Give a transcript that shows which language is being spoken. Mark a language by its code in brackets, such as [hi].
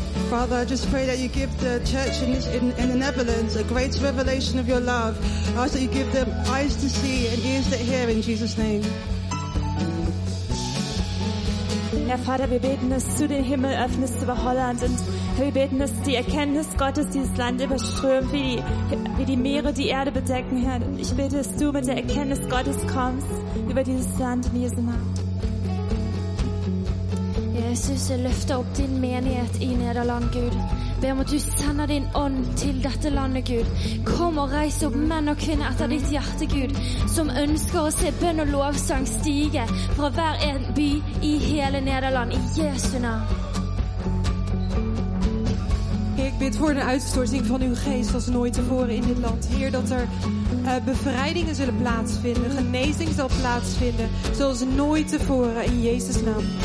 [en] Father, I just pray that you give the church in the Netherlands a great revelation of your love. I ask that you give them eyes to see and ears to hear in Jesus' name. [de] Herr Vater, wir beten, dass du den Himmel öffnest über Holland und wir beten, dass die Erkenntnis Gottes dieses Land überströmt, wie die Meere die Erde bedecken, Herr. Ich bete, dass du mit der Erkenntnis Gottes kommst über dieses Land in Jesu Namen. [no] Jesus, jeg løfter opp din menighet i Nederland, Gud. Be om at du sender din ånd til dette landet, Gud. Kom og reis opp menn og kvinner etter ditt hjerte, Gud, som ønsker å se bønn og lovsang stige fra hver en by i hele Nederland, i Jesu navn. [nl] Ik bid voor een uitstorting van uw geest als nooit tevoren in dit land. Heer, dat er bevrijdingen zullen plaatsvinden, genezing zal plaatsvinden, zoals nooit tevoren in Jezus' naam.